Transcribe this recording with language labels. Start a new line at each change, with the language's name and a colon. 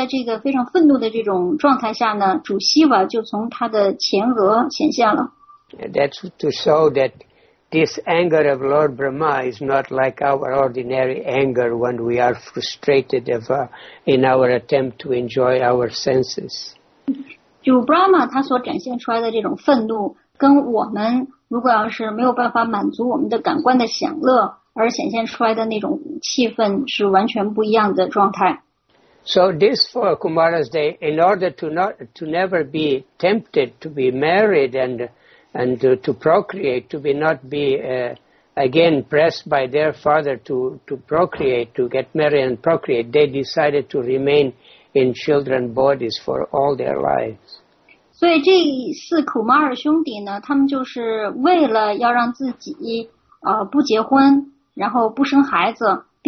Chinese: 然后呢就在这个非常愤怒的这种状态下呢, 主 Shiva 就从他的前额显现了。
English: That's to show that this anger of Lord Brahma is not like our ordinary anger when we are frustrated in our attempt to enjoy our senses.
Chinese: 主 Brahma 他所展现出来的这种愤怒, 跟我们如果要是没有办法满足我们的感官的享乐, 而显现出来的那种气氛是完全不一样的状态。
English: So this for Kumara's day, in order to never be tempted to be married and to procreate, to not be again pressed by their father to procreate, to get married and procreate, they decided to remain in children bodies for all their lives.
Chinese: 所以这四苦马尔兄弟呢，他们就是为了要让自己不结婚，然后不生孩子。